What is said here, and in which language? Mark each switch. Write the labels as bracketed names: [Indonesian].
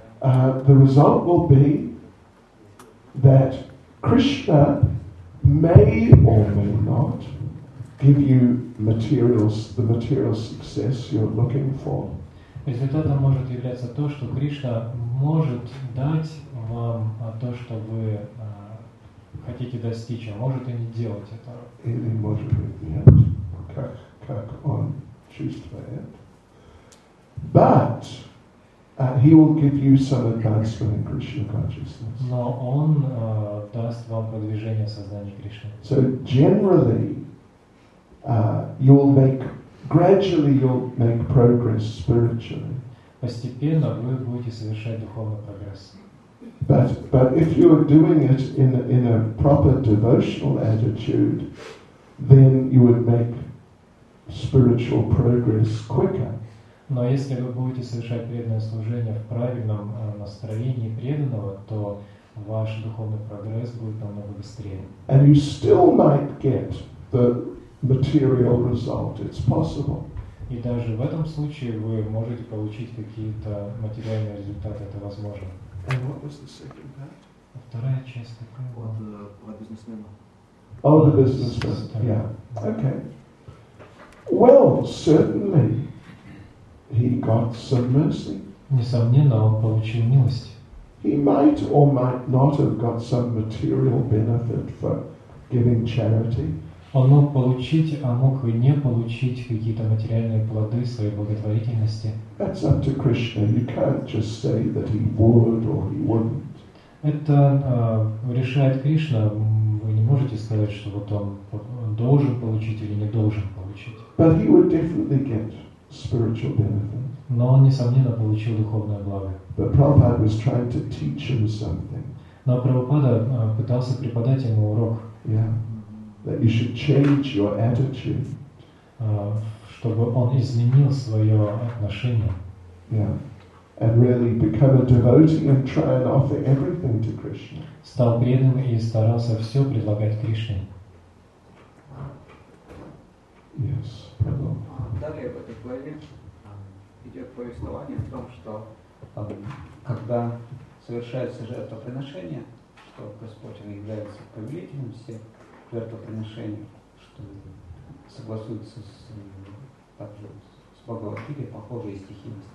[English] The result will be that Krishna may or may not give you the material success you're looking for. [Russian] Результатом может являться то, что Кришна может дать вам то, что вы хотите достичь, а может и не делать этого. Или может быть нет, как он чувствует. [English] But he will give you some advancement in Krishna consciousness. [Russian] Но он даст вам продвижение в сознании Кришны. [English] So generally, you'll make progress spiritually. [Russian] Постепенно вы будете совершать духовный прогресс. [English] But if you are doing it in a proper devotional attitude, then you would make spiritual progress quicker. [Russian] Но если вы будете совершать преданное служение в правильном настроении преданного, то ваш духовный прогресс будет намного быстрее. [English] And you still might get the material result. It's possible. [Russian] И даже в этом случае вы можете получить какие-то материальные результаты. Это возможно. [English] And what was the second part? [Russian] А вторая часть такая была. Про бизнесмена. [English] Oh, the businessman. Yeah. Okay. Well, certainly he got some mercy. [Russian] Несомненно, он получил милость. [English] He might or might not have got some material benefit for giving charity. [Russian] Он мог получить, а мог и не получить какие-то материальные плоды своей благотворительности. [English] That's up to Krishna. You can't just say that he would or he wouldn't. [Russian] Это решает Кришна. Вы не можете сказать, что вот он должен получить или не должен получить. [English] But he would definitely get spiritual benefit. [Russian] Но он, несомненно, получил духовное благо. [English] But Prabhupada was trying to teach him something. [Russian] Но Прабхупада пытался преподать ему урок. [English] Yeah. That you should change your attitude. [Russian] Чтобы он изменил свое отношение. [English] Yeah. And really become a devotee and try and offer everything to Krishna. [Russian] Стал преданным и старался все предлагать Кришне. [English] Yes. [Russian] Далее в этой главе идет повествование о том, что когда совершается жертвоприношение, что Господь является повелителем всех жертвоприношений, что согласуется с Бхагавадгитой, похожие стихи.